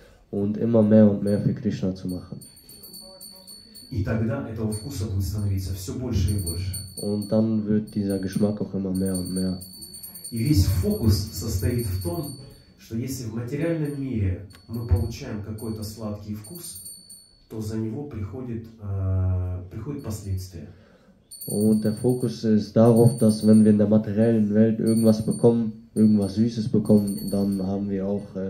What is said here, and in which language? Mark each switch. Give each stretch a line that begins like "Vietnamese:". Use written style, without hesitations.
German: Und immer mehr und mehr für Krishna zu machen.
Russian: И тогда этого вкуса будет становиться все больше и больше.
German: Und dann wird dieser Geschmack auch immer mehr und mehr.
Russian: И весь фокус состоит в том, что если в материальном мире мы получаем какой-то сладкий вкус, то за него приходит, приходит последствия.
German: Und der Fokus ist darauf, dass wenn wir in der materiellen Welt irgendwas bekommen, irgendwas Süßes bekommen, dann haben wir auch